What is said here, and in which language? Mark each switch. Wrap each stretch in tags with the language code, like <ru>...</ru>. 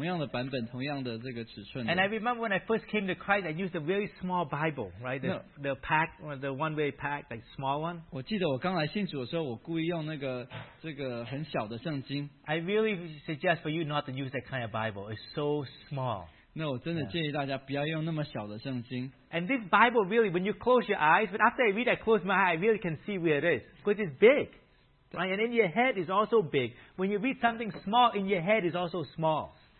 <zh>所以我每次买的圣经，我都故意买要同样的版本，同样的这个尺寸。And</zh> <en>I remember when I first came to Christ, I used a very small Bible, right? The pack, or the one-way pack, like small one.</en> <zh>我记得我刚来信主的时候，我故意用那个这个很小的圣经。I</zh> <en>really suggest for you not to use that kind of Bible. It's so small.</en> <zh>那我真的建议大家不要用那么小的圣经。And</zh> <en>this Bible really, when you close your eyes, but after I read, I close my eyes, I really can see where it is, because it's big. Right, and in your head is also big. When you read something small, in your head is also small.</en>